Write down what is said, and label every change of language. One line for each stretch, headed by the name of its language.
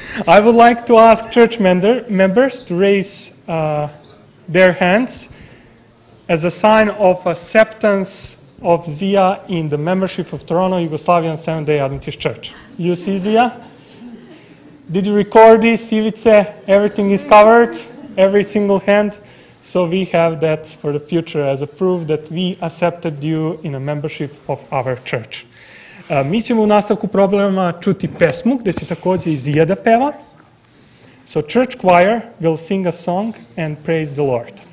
English: I would like to ask church members to raise their hands as a sign of acceptance of Zia in the membership of Toronto Yugoslavian Seventh-day Adventist Church. You see, Zia? Did you record this, Ivice? Everything is covered, every single hand. So we have that for the future as a proof that we accepted you in a membership of our church.
Serbian: Mi ćemo u nastavku problema čuti pesmu, gde će takođe i Zia da peva.
English: So church choir will sing a song and praise the Lord.